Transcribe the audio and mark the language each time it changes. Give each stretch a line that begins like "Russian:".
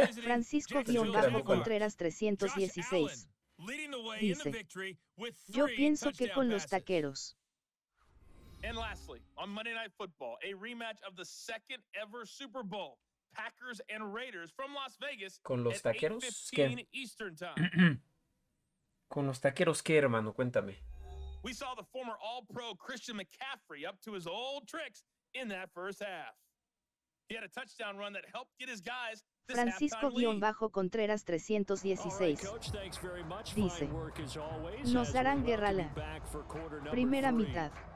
Spanish: Francisco Guionbajo Contreras 316 dice, yo pienso que con los taqueros.
English: And lastly, on Monday Night Football, a rematch of the second ever Super Bowl, Packers and Raiders from Las Vegas.
Spanish: ¿Con los taqueros qué?
English: Eastern time.
Spanish: ¿Con los taqueros qué, hermano? Cuéntame.
English: We saw the former All-Pro Christian McCaffrey up to his old tricks in that first half. He had a touchdown run that helped get his guys this halftime lead.
Spanish: Francisco guión bajo Contreras 316 dice, nos darán guerra la primera mitad.